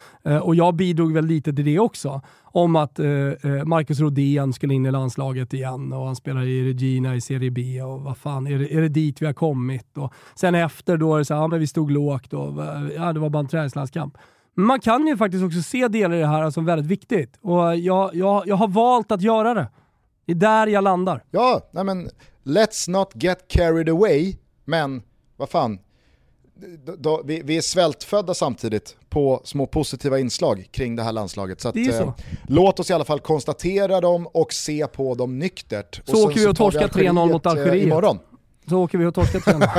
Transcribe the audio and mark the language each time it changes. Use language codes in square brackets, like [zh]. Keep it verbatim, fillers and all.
[sv] Eh, och jag bidrog väl lite till det också. Om att eh, Marcus Rodén skulle in i landslaget igen och han spelar i Regina i Serie B och vad fan, är det, är det dit vi har kommit? Och sen efter då är det så här, ja, men vi stod lågt och ja, det var bara en träningslandskamp. Man kan ju faktiskt också se delar i det här som väldigt viktigt. Och jag, jag, jag har valt att göra det. Det är där jag landar. Ja, nej men [en] let's not get carried away. [sv] Men vad fan, då, då, vi, vi är svältfödda samtidigt på små positiva inslag kring det här landslaget. Så, att, det är så. Eh, låt oss i alla fall konstatera dem och se på dem nyktert. Så och åker vi och torskar tre noll mot Algeriet. Eh, imorgon. Så åker vi och torskar tre noll.